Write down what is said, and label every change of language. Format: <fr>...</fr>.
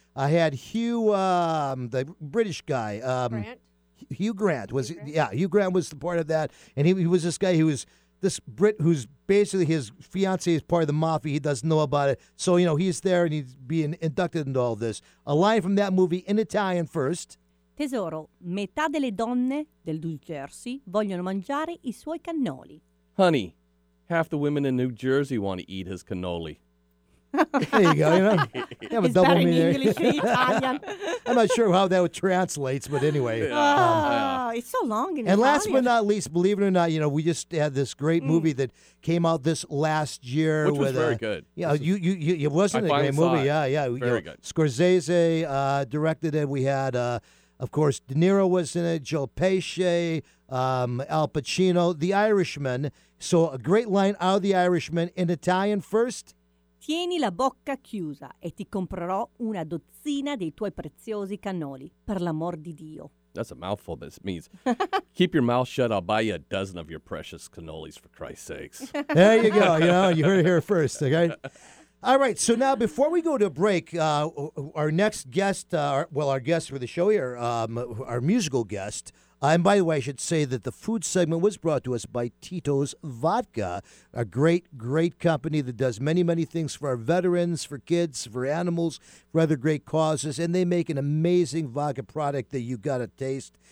<en>I had Hugh, the British guy. Grant? Hugh Grant was the part of that. And he was this guy who was this Brit who's basically his fiance is part of the mafia. He doesn't know about it. So, he's there and he's being inducted into all this. A line from that movie in Italian first.</en> <it>Tesoro, metà delle donne del New Jersey vogliono mangiare I suoi cannoli.</it> <en>Honey, half the women in New Jersey want to eat his cannoli. There you go. You have a double meaning. Is that in English or Italian? I'm not sure how that translates, but anyway. It's so long in Italian. And last but not least, believe it or not, we just had this great movie that came out this last year. Which was very good. Yeah, it wasn't a great movie. Very good. Scorsese directed it. We had... of course, De Niro was in it, Joe Pesci, Al Pacino, The Irishman. So a great line out of The Irishman in Italian first.</en> <it>Tieni la bocca chiusa e ti comprerò una dozzina dei tuoi preziosi cannoli, per l'amor di Dio.</it> <en>That's a mouthful. This means keep your mouth shut. I'll buy you a dozen of your precious cannolis, for Christ's sakes. There you go. You heard it here first, okay? All right, so now before we go to break, our next guest, our guest for the show here, our musical guest, and by the way, I should say that the food segment was brought to us by Tito's Vodka, a great, great company that does many, many things for our veterans, for kids, for animals, for other great causes, and they make an amazing vodka product that you got to taste.</en>